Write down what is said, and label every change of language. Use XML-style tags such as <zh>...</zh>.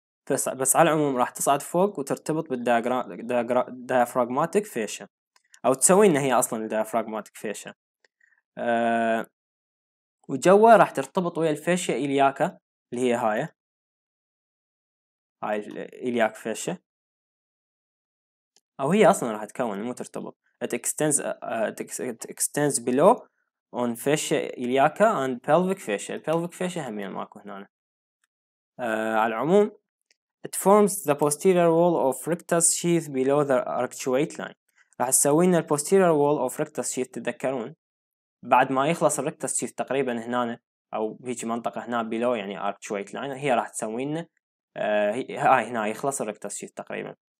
<ar>بس على العموم راح تصعد فوق وترتبط بالدايافراغماتيك فيشا او تسوي ان هي اصلا الدايافراغماتيك فيشا وجوا راح ترتبط ويا الفيشا الياكا اللي هي هاي الياك فيشا أو هي أصلاً راح تكون مو ترتبط.</ar> <en>It extends below on fascia iliaca and pelvic fascia.</en> <ar>Pelvic fascia هم يعني ماكو هنا. على العموم</ar> <en>it forms the posterior wall of rectus sheath below the arcuate line.</en> <ar>راح تسوي لنا</ar> <en>the posterior wall of rectus sheath</en> <ar>تذكرون بعد ما يخلص rectus sheath تقريباً هنا أو هيك منطقة هنا below يعني arcuate line هي راح تسوي لنا هنا يخلص rectus sheath تقريباً.</ar>